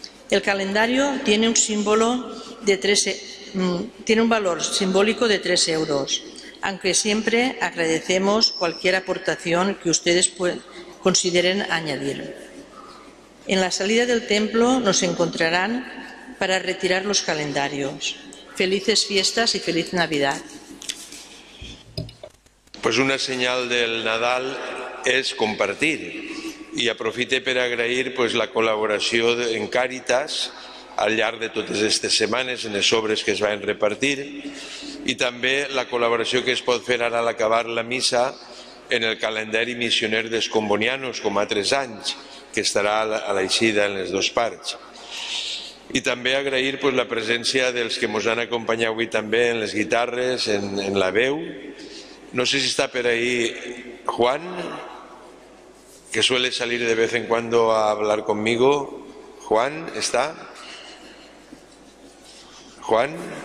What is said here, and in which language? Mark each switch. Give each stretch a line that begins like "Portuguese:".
Spanish: El calendario tiene un símbolo de tiene un valor simbólico de 3 euros, aunque siempre agradecemos cualquier aportación que ustedes consideren añadir. En la salida del templo nos encontrarán para retirar los calendarios. Felices fiestas y feliz Navidad. Pues una señal del Nadal es compartir.
Catalan: I aprofite per agrair pues, la col·laboració en Càritas al llarg de totes aquestes setmanes en les obres que es van repartir i també la col·laboració que es pot fer ara a l'acabar la missa en el calendari missioner dels combonianos com a 3 anys que estarà a l'eixida en les 2 parts. I també agrair pues, la presència dels que ens han acompanyat avui també en les guitarres, en la veu.
Spanish: No sé si está por ahí Juan, que suele salir de vez en cuando a hablar conmigo. ¿Juan está? ¿Juan?